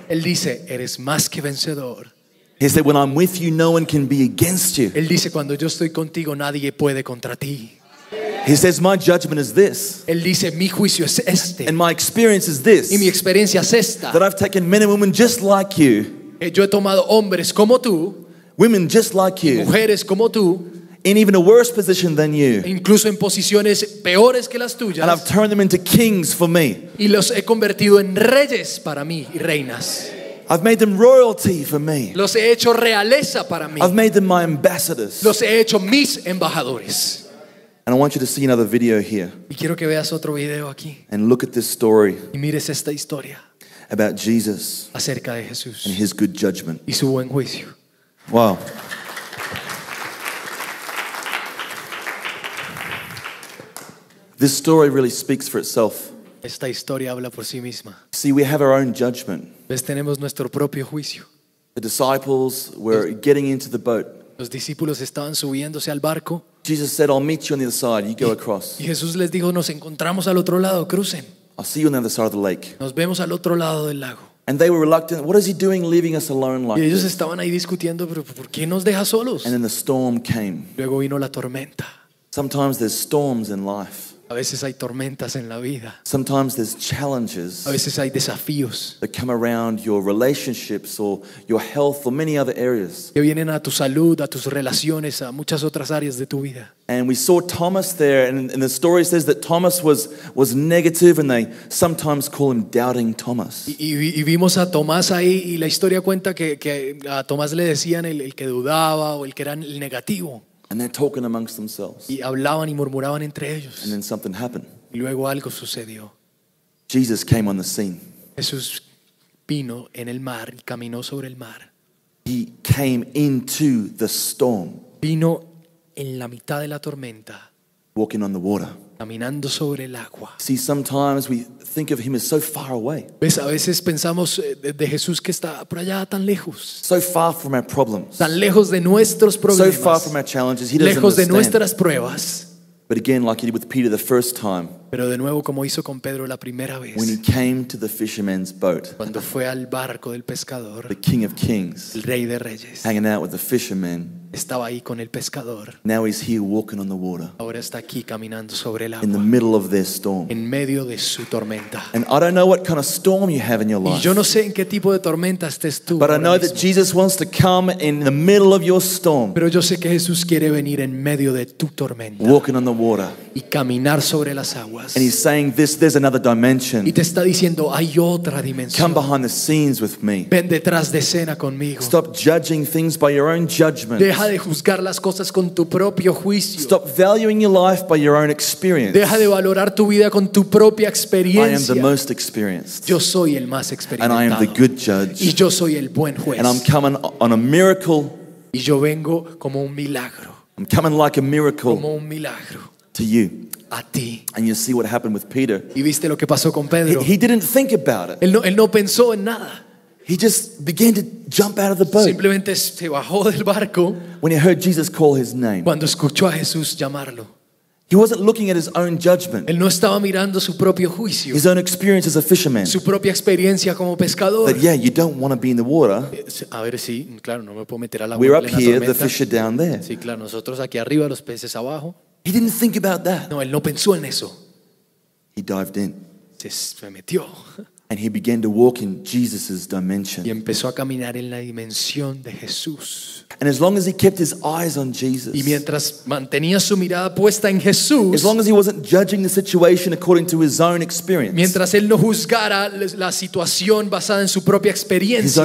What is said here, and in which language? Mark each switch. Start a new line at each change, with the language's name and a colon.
Spanish: Él dice, "Eres más que vencedor."
English: He said, "When I'm with you, no one can be against you."
Spanish: Él dice, "Cuando yo estoy contigo, nadie puede contra ti."
English: He says, "My judgment is this."
Spanish: Él dice, "Mi juicio es este."
English: And my experience is this.
Spanish: Y mi experiencia es esta.
English: That I've taken men and women just like you.
Spanish: Yo he tomado hombres como tú.
English: Women just like you.
Spanish: Mujeres como tú.
English: In even a worse position than you.
Spanish: Incluso en posiciones peores que las tuyas.
English: And I've turned them into kings for me.
Spanish: Y los he convertido en reyes para mí y reinas.
English: I've made them royalty for me.
Spanish: Los he hecho realeza para mí.
English: I've made them my ambassadors.
Spanish: Los he hecho mis embajadores.
English: And I want you to see another video here.
Spanish: Y quiero que veas otro video aquí.
English: And look at this story.
Spanish: Y mires esta historia.
English: About Jesus.
Spanish: Acerca de Jesús.
English: And his good judgment.
Spanish: Y su buen juicio.
English: Wow. This story really speaks for itself.
Spanish: Esta historia habla por sí misma.
English: See, we have our own judgment.
Spanish: ¿Ves? Tenemos nuestro propio juicio.
English: The disciples were getting into the boat.
Spanish: Los discípulos estaban subiéndose al barco.
English: Jesus said, "I'll meet you on the other side. You go across."
Spanish: Y Jesús les dijo, "Nos encontramos al otro lado. Crucen."
English: I'll see you on the other side of the lake.
Spanish: Nos vemos al otro lado del lago.
English: And they were reluctant. What is he doing, leaving us alone like this?
Spanish: Y ellos estaban ahí discutiendo, pero ¿por qué nos deja solos?
English: And then the storm came.
Spanish: Luego vino la tormenta.
English: Sometimes there's storms in life.
Spanish: A veces hay tormentas en la vida.
English: Sometimes there's challenges.
Spanish: A veces hay desafíos.
English: That come around your relationships or your health or many other areas.
Spanish: Que vienen a tu salud, a tus relaciones, a muchas otras áreas de tu vida.
English: And we saw Thomas there, and the story says that Thomas was negative, and they sometimes call him Doubting Thomas.
Spanish: Y vimos a Tomás ahí, y la historia cuenta que a Tomás le decían el que dudaba o el que era el negativo.
English: And they're talking amongst themselves.
Spanish: Y hablaban y murmuraban entre ellos.
English: And then something happened.
Spanish: Y luego algo sucedió.
English: Jesus came on the scene.
Spanish: Jesús vino en el mar y caminó sobre el mar.
English: He came into the storm.
Spanish: Vino en la mitad de la tormenta.
English: Walking on the water.
Spanish: Caminando sobre el agua.
English: See, sometimes we think of him as so far away.
Spanish: Ves, a veces pensamos de Jesús que está por allá tan lejos.
English: So far from our problems.
Spanish: Tan lejos de nuestros problemas.
English: So far from our challenges. He
Spanish: lejos
English: doesn't understand.
Spanish: De nuestras pruebas.
English: But again, like he did with Peter the first time.
Spanish: Pero de nuevo como hizo con Pedro la primera vez.
English: When he came to the fisherman's boat.
Spanish: Cuando fue al barco del pescador.
English: The King of Kings.
Spanish: El Rey de Reyes.
English: Hanging out with the fisherman.
Spanish: Estaba ahí con el pescador.
English: Now he's here walking on the water.
Spanish: Ahora está aquí caminando sobre el agua.
English: In the middle of their storm.
Spanish: En medio de su tormenta.
English: And I don't know what kind of storm you have in your life.
Spanish: Y yo no sé en qué tipo de tormenta estés tú.
English: But I know that Jesus wants to come in the middle of your storm.
Spanish: Pero yo sé que Jesús quiere venir en medio de tu tormenta.
English: Walking on the water.
Spanish: Y caminar sobre las aguas.
English: And he's saying this, there's another dimension.
Spanish: Y te está diciendo, hay otra dimensión.
English: Come behind the scenes with me.
Spanish: Ven detrás de escena conmigo.
English: Stop judging things by your own judgment.
Spanish: Deja de juzgar las cosas con tu propio juicio.
English: Stop valuing your life by your own experience.
Spanish: Deja de valorar tu vida con tu propia experiencia.
English: I am the most experienced.
Spanish: Yo soy el más experimentado.
English: And I am the good judge.
Spanish: Y yo soy el buen juez.
English: And I'm coming on a miracle.
Spanish: Y yo vengo como un milagro.
English: I'm coming like a miracle.
Spanish: Como un milagro.
English: To you.
Spanish: A ti.
English: And you see what happened with Peter.
Spanish: Y viste lo que pasó con Pedro.
English: He didn't think about it.
Spanish: Él no pensó en nada.
English: He just began to jump out of the boat.
Spanish: Simplemente se bajó del barco.
English: When he heard Jesus call his name.
Spanish: Cuando escuchó a Jesús llamarlo.
English: He wasn't looking at his own judgment.
Spanish: Él no estaba mirando su propio juicio.
English: His own experience as a fisherman.
Spanish: Su propia experiencia como pescador.
English: That yeah, you don't want to be in the water.
Spanish: A ver, sí, claro, no me puedo meter al agua.
English: We're up here, the fish are down there.
Spanish: Sí, claro, nosotros aquí arriba, los peces abajo.
English: He didn't think about that.
Spanish: No, él no pensó en eso.
English: He dived in.
Spanish: Se metió.
English: And he began to walk in Jesus's dimension.
Spanish: Y empezó a caminar en la dimensión de Jesús.
English: And as long as he kept his eyes on Jesus.
Spanish: Y mientras mantenía su mirada puesta en Jesús.
English: As long as he wasn't judging the situation according to his own experience.
Spanish: Mientras él no juzgara la situación basada en su propia experiencia.